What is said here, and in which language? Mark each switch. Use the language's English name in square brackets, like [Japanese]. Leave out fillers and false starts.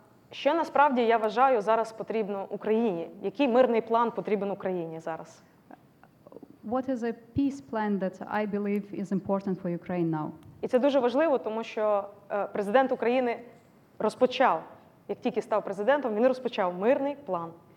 [Ukrainian] Що насправді я вважаю зараз потрібно Україні? Який мирний план потрібен Україні зараз? [English] What is a peace plan that I believe is important for Ukraine now? [Ukrainian] І це дуже важливо, тому що президент України розпочав, як тільки став президентом, він розпочав мирний план.